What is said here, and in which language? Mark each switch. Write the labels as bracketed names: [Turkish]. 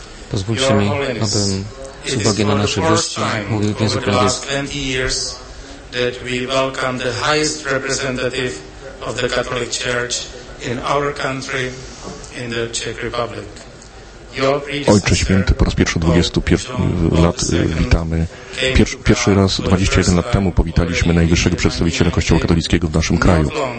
[Polish] Pozwólcie mi, abym z uwagi na nasze gości mówił w języku angielskim. [English] That we welcome the highest representative of the Catholic Church in our country, in the Czech Republic. [Polish] Ojcze Święty, po raz pierwszy 21 lat witamy. Pierwszy raz 21 lat temu powitaliśmy najwyższego przedstawiciela Kościoła katolickiego w naszym kraju.